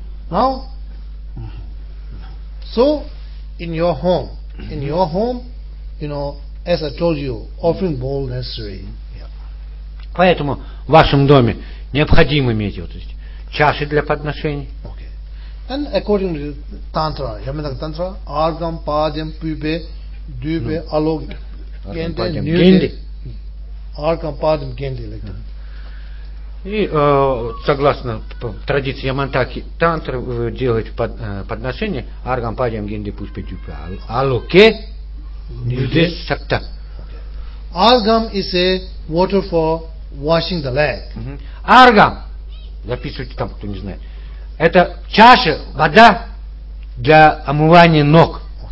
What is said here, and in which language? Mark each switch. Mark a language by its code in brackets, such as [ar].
[en] Now, so in your home, you know, as I told you, offering bowl necessary. Yeah. [ru] Поэтому в вашем доме необходимо иметь вот эти чаши для подношений. [en] Okay. And according to Tantra, Yamanaka Tantra, Argam, Padyam, Pube, Dube, Alok, Gende, Nude. Argam, Padyam, Gende, like that. [ru] И согласно традиции Ямантаки тантры делать подношение аргам падьям генди пуспетюпа алоке нюде сакта. [en] Аргам is a water for washing the leg. [ru] Аргам, записывайте там, кто не знает, это чаша, вода для омывания ног.